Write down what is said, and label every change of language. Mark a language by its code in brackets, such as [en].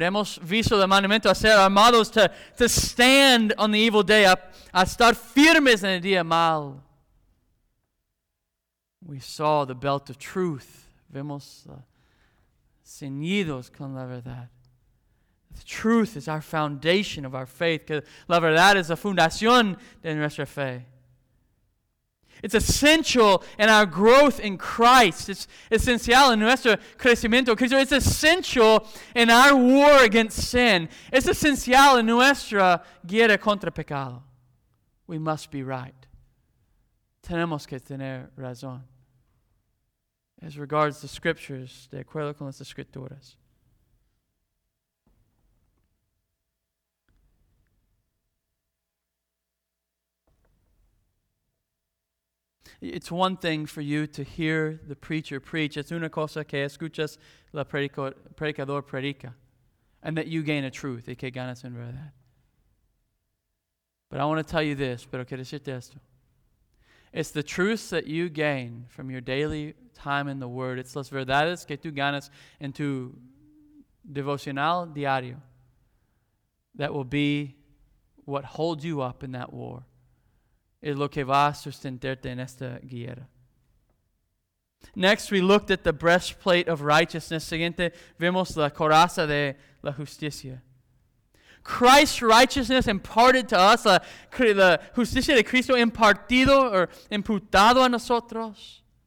[es] Hemos visto el mandamiento a ser armados, [en] to stand on the evil day, [es] a estar firmes en el día mal. [en] We saw the belt of truth. [es] Vemos ceñidos con la verdad. [en] The truth is our foundation of our faith. [es] Que la verdad es la fundación de nuestra fe. [en] It's essential in our growth in Christ. It's [es] esencial en nuestro crecimiento. [en] It's essential in our war against sin. [es] It's esencial en nuestra guerra contra pecado. [en] We must be right. [es] Tenemos que tener razón. [en] As regards the scriptures, [es] de acuerdo con las escrituras. [en] It's one thing for you to hear the preacher preach. [es] Es una cosa que escuchas la predicador predica. [en] And that you gain a truth. [es] Y que ganas en verdad. [en] But I want to tell you this. [es] Pero quiero decirte esto. [en] It's the truths that you gain from your daily time in the Word. It's [es] las verdades que tú ganas en tu devocional diario [en] that will be what holds you up in that war. [es] Es lo que va a sustentarte en esta guerra. [en] Next, we looked at the breastplate of righteousness. [es] Siguiente, vemos la coraza de la justicia. [en] Christ's righteousness imparted to us, [es] la justicia de Cristo impartido o imputado a nosotros.